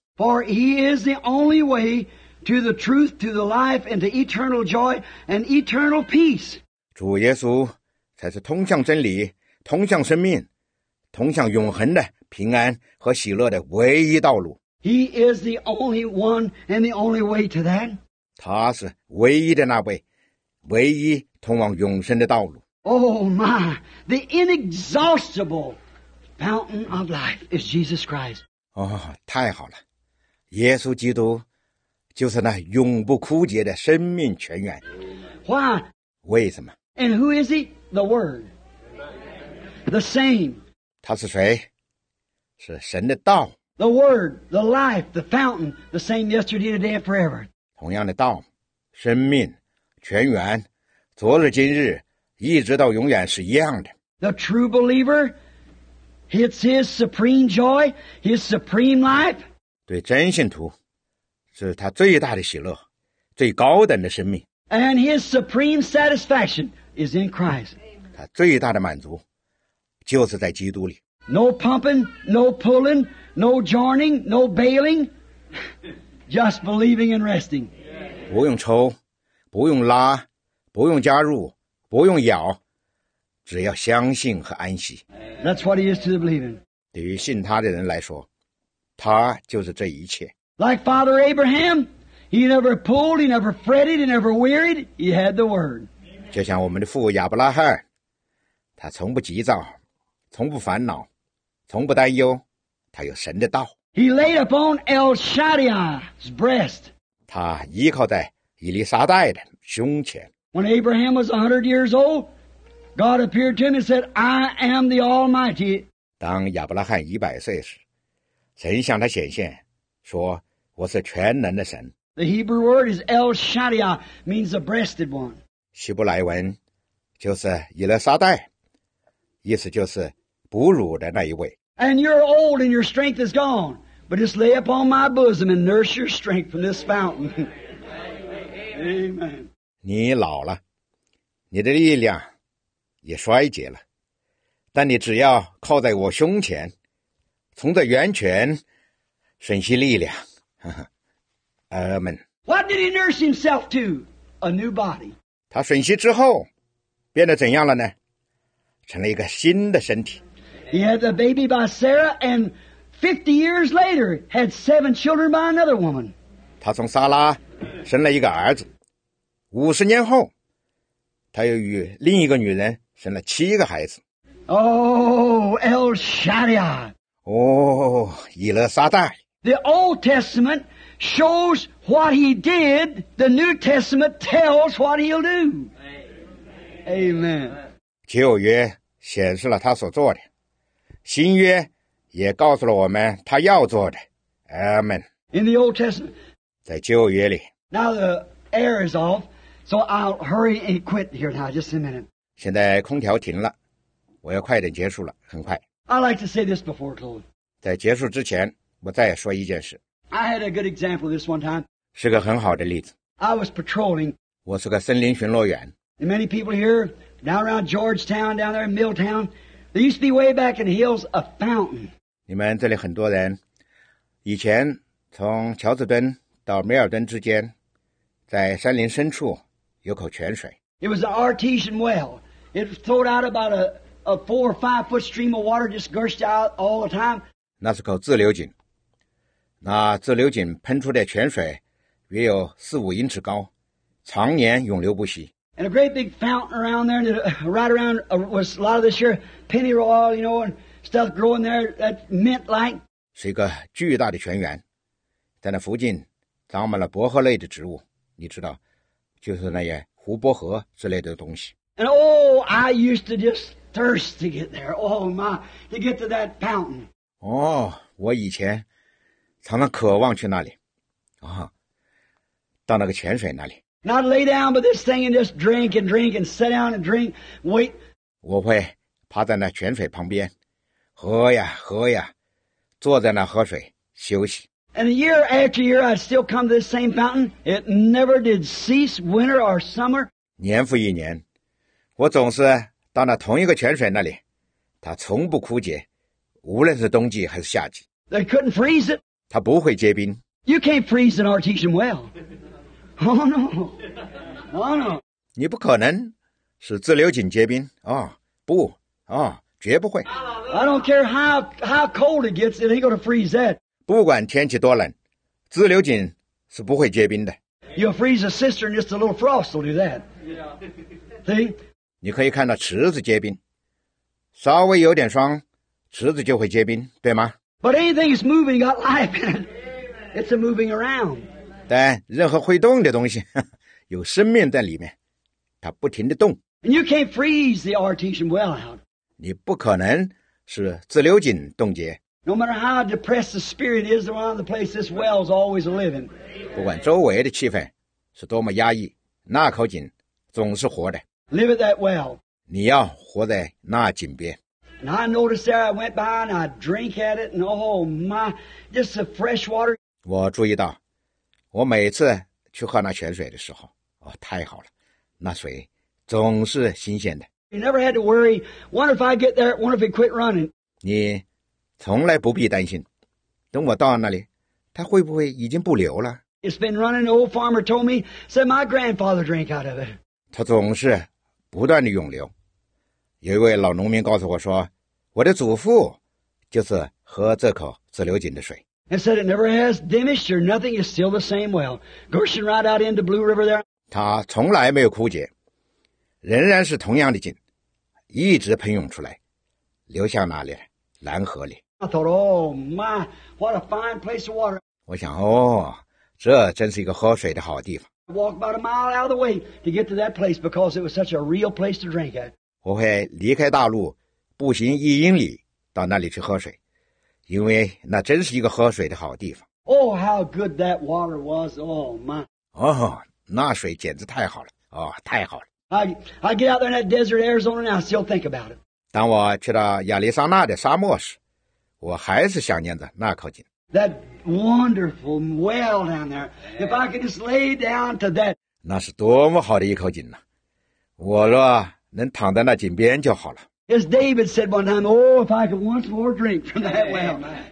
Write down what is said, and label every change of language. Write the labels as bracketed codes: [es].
[en] For he is the only way to the truth, to the life, and to eternal joy and eternal peace. [zh] 主耶稣才是通向真理、通向生命、通向永恒的平安和喜乐的唯一道路。 [en] He is the only one and the only way to that. [zh] 他是唯一的那位，唯一通往永生的道路。 [en] Oh my, the inexhaustible fountain of life is Jesus Christ. [zh] 哦，太好了，耶稣基督就是那永不枯竭的生命泉源。 [en] Why? [zh] 为什么 [en] ？And who is he? The Word, the same. [zh] 他是谁？是神的道。 [en] The Word, the Life, the Fountain, the same yesterday, today, and forever. [zh] 同样的道，生命，泉源，昨日今日，一直到永远是一样的。 [en] The true believer, it's his supreme joy, his supreme life. [zh] 对真信徒，是他最大的喜乐，最高等的生命。 [en] And his supreme satisfaction is in Christ. [zh] 他最大的满足，就是在基督里。 [en] No pumping, no pulling, no joining, no bailing, just believing and resting. [zh] 不用抽，不用拉，不用加入，不用咬，只要相信和安息。 [en] That's what he is to the believer. [zh] 对于信他的人来说，他就是这一切。 [en] Like Father Abraham, he never pulled, he never fretted, he never wearied. He had the word. [zh] 就像我们的父亚伯拉罕，他从不急躁，从不烦恼。从不担忧，他有神的道。 [en] He laid upon El Shaddai's breast. [zh] 他依靠在以利沙代的胸前。 [en] When Abraham was 100 years old, God appeared to him and said, "I am the Almighty." [zh] 当亚伯拉罕100岁时，神向他显现，说：“我是全能的神。” [en] The Hebrew word is El Shaddai, means the breasted one. [zh] 希伯来文就是以利沙代，意思就是。哺乳的那一位。 [en] And you're old and your strength is gone, but just lay upon my bosom and nurse your strength from this fountain. Amen. [zh] 你老了，你的力量也衰竭了，但你只要靠在我胸前，从这源泉吮吸力量。 [en] Amen. What did he nurse himself to? A new body. [zh] 他吮吸之后变得怎样了呢？成了一个新的身体。 [en] He had the baby by Sarah, and 50 years later, had 7 children by another woman. [zh] 他从撒拉生了一个儿子，50年后，他又与另一个女人生了7个孩子。 [en] Oh, El Shaddai! [zh] Oh, 以勒撒代！ [en] The Old Testament shows what he did. The New Testament tells what he'll do. Amen. [zh] 旧约显示了他所做的。新约也告诉了我们他要做的。 [en] Amen. In the Old Testament. [zh] 在旧约里。 [en] Now the air is off, so I'll hurry and quit here now, just a minute. [zh] 现在空调停了，我要快点结束了，很快。 [en] I'd like to say this before close. [zh] 在结束之前，我再说一件事。 [en] I had a good example this one time. [zh] 是个很好的例子。 [en] I was patrolling. [zh] 我是个森林巡逻员。 [en] And many people here, down around Georgetown, down there in Milltown, there used to be way back in the hills a fountain. [zh] 你们这里很多人，以前从乔治敦到梅尔敦之间，在山林深处有口泉水。 [en] It was an artesian well. It flowed out about a 4 or 5 foot stream of water, just gushed out all the time. [zh] 那是口自流井。那自流井喷出的泉水约有4-5英尺高，常年永流不息。 [en] And a great big fountain around there, that, right around, was a lot of this year, pennyroyal, you know, and stuff growing there, that mint-like. [zh] 是一个巨大的泉源，在那附近长满了薄荷类的植物，你知道，就是那些胡薄荷之类的东西。 [en] And oh, I used to just thirst to get there, oh my, to get to that fountain. [zh] 哦，我以前常常渴望去那里，啊，到那个泉水那里。 [en] Not lay down, but this thing and just drink and drink and sit down and drink. Wait. [zh] 我会趴在那泉水旁边，喝呀喝呀，坐在那喝水休息。 [en] And year after year, I'd still come to this same fountain. It never did cease, winter or summer. [zh] 年复一年，我总是到那同一个泉水那里，它从不枯竭，无论是冬季还是夏季。 [en] They couldn't freeze it. [zh] 它不会结冰。 [en] You can't freeze an artesian well. Oh no, oh no. [zh] 你不可能使自流井结冰啊、哦、不啊、哦、绝不会。 [en] I don't care how cold it gets, it ain't gonna freeze that. [zh] 不管天气多冷，自流井是不会结冰的。 [en] You'll freeze a cistern, just a little frost will do that. Yeah. See? [zh] 你可以看到池子结冰，稍微有点霜，池子就会结冰，对吗？ [en] But anything is moving, got life in it. It's a moving around. [zh] 但任何会动的东西有生命在里面，它不停地动。 [en] You can't freeze the artesian well out. [zh] 你不可能使自流井冻结。 [en] No matter how depressed the spirit is around the place, this well is always living. [zh] 不管周围的气氛是多么压抑，那口井总是活的。 [en] Live at that well. [zh] 你要活在那井边。 [en] And I noticed there, I went by and I drank at it, and oh my, just the fresh water. [zh] 我注意到。我每次去喝那泉水的时候，哦，太好了，那水总是新鲜的。 [en] You never had to worry. Wonder if I get there. Wonder if it quit running. [zh] 你从来不必担心，等我到那里，它会不会已经不流了 [en] ？It's been running. The old farmer told me. Said my grandfather drank out of it. [zh] 它总是不断的涌流。有一位老农民告诉我说，我的祖父就是喝这口自流井的水。 [en] And said it never has diminished or nothing is still the same well. Gushing right out into Blue River there. [zh] 它从来没有枯竭，仍然是同样的井，一直喷涌出来，流向哪里？蓝河里。 [en] I thought, oh my, what a fine place of water. [zh] 我想，哦，这真是一个喝水的好地方。 [en] I walked about a mile out of the way to get to that place because it was such a real place to drink at. [zh] 我会离开大路，步行1英里到那里去喝水。因为那真是一个喝水的好地方。 [en] Oh, how good that water was! Oh my! [zh] 哦、oh, ，那水简直太好了！哦、oh, ，太好了 [en] ！I get out there in that desert Arizona, and I still think about it. [zh] 当我去到亚利桑那的沙漠时，我还是想念着那口井。 [en] That wonderful well down there. If I could just lay down to that. [zh] 那是多么好的一口井呢、啊！我若能躺在那井边就好了。 [en] As David said one time, "Oh, if I could once more drink from that well."